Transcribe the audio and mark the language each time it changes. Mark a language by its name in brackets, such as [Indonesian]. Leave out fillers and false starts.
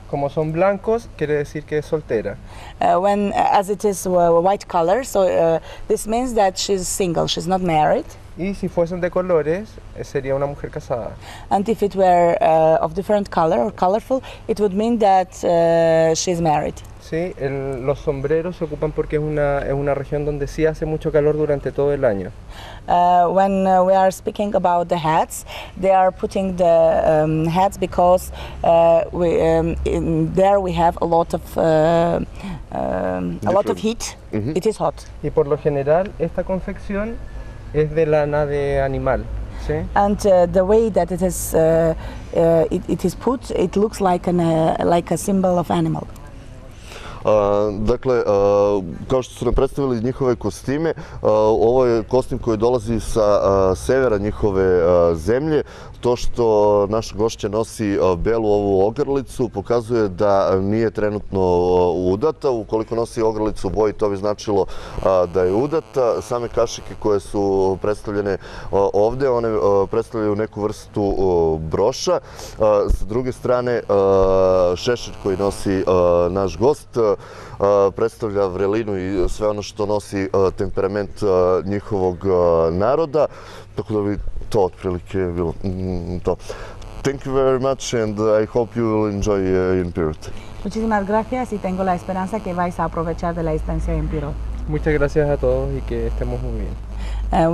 [Spanish] Como son blancos, quiere decir que es soltera. [English] When as it is white color, so this means that she's single, she's not married. [Spanish] Y si fuesen de colores, sería una mujer casada. [English] And if it were of different color or colorful, it would mean that she's married. [Spanish] Sí, los sombreros se ocupan porque es una región donde sí hace mucho calor durante todo el año. [English] When we are speaking about the hats, they are putting the hats because we have a lot of heat. Mm-hmm. It is hot. [Spanish] Y por lo general esta confección es de lana de animal. [English] And the way that it is put, it looks like a symbol of animal. [Serbian] Dakle, kao što su nam predstavili njihove kostime, ovo je kostim koji dolazi sa severa njihove zemlje. To što naša gošća nosi belu ovu ogrlicu pokazuje da nije trenutno udata. Ukoliko nosi ogrlicu u boji, to bi značilo da je udata. Same kašike koje su predstavljene ovde, one predstavljaju neku vrstu broša. Sa druge strane, šešir koji nosi naš gost predstavlja vrelinu i sve ono što nosi temperament njihovog naroda. Tako da bi to otprilike bilo to. [English] Thank you very much and I hope you will enjoy in Pirot. [Spanish] Muchísimas gracias y tengo la esperanza que vais a aprovechar de la estancia en Pirot. Muchas gracias a todos y que estemos muy bien.